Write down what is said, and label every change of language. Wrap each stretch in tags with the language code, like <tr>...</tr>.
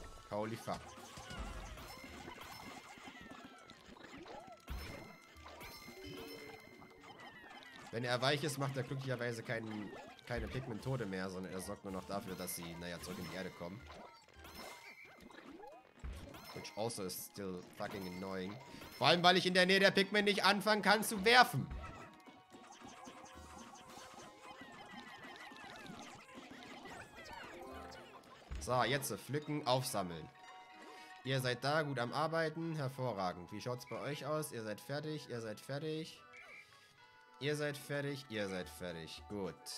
<en>Holy fuck.</en> <de>Wenn er weich ist, macht er glücklicherweise keine Pigmentode mehr, sondern er sorgt nur noch dafür, dass sie, naja, zurück in die Erde kommen.</de> <en>Also is still fucking annoying.</en> <de>Vor allem, weil ich in der Nähe der Pikmin nicht anfangen kann zu werfen. So, jetzt pflücken, aufsammeln. Ihr seid da, gut am Arbeiten, hervorragend. Wie schaut's bei euch aus? Ihr seid fertig, ihr seid fertig. Ihr seid fertig, ihr seid fertig. Gut.</de>